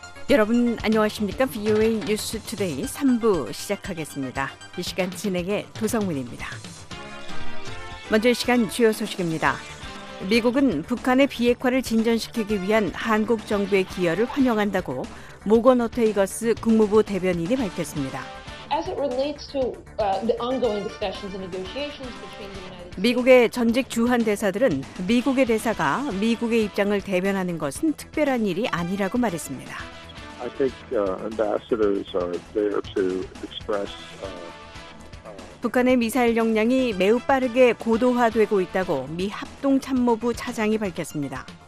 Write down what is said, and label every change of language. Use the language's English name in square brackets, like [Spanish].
[Korean] 여러분 안녕하십니까? VOA News Today 3부 시작하겠습니다. 이 시간 진행의 도성민입니다. 먼저 이 시간 주요 소식입니다. 미국은 북한의 비핵화를 진전시키기 위한 한국 정부의 기여를 환영한다고 모건 오테이거스 국무부 대변인이 밝혔습니다. [English] As it relates to the ongoing discussions and negotiations between the United States. [Korean] 미국의 전직 주한 대사들은 미국의 대사가 미국의 입장을 대변하는 것은 특별한 일이 아니라고 말했습니다. [English] I think ambassadors are there to express. [Korean] 북한의 미사일 역량이 매우 빠르게 고도화되고 있다고 미 합동참모부 차장이 밝혔습니다.